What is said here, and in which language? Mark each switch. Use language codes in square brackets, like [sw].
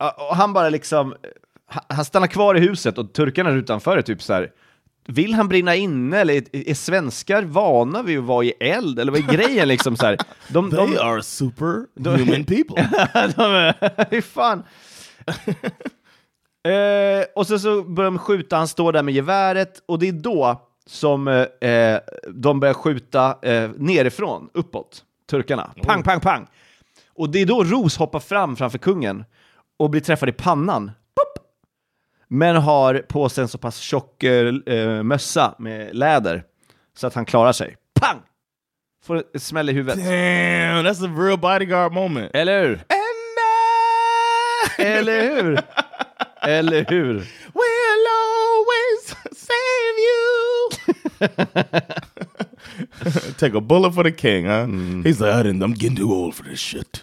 [sv] Och han bara liksom han stannar kvar i huset och turkarna är utanför och typ så här, vill han brinna inne eller är svenskar vana vid att vara i eld eller vad är grejen liksom så här? [en] They are super human people. [sv] Fan. Och sen så börjar de skjuta, han står där med geväret. Och det är då som de börjar skjuta nerifrån, uppåt, turkarna. Pang, pang, pang. Och det är då Ros hoppar fram framför kungen och blir träffad i pannan. Pop! Men har på sig en så pass tjock mössa med läder så att han klarar sig. Pang! Får ett smäll i huvudet. [en] Damn, that's a real bodyguard moment. [sv] Eller hur? Eller hur? Eller hur? [en] We'll always save you. Take a bullet for the king, huh? Mm. He's like, I'm getting too old for this shit.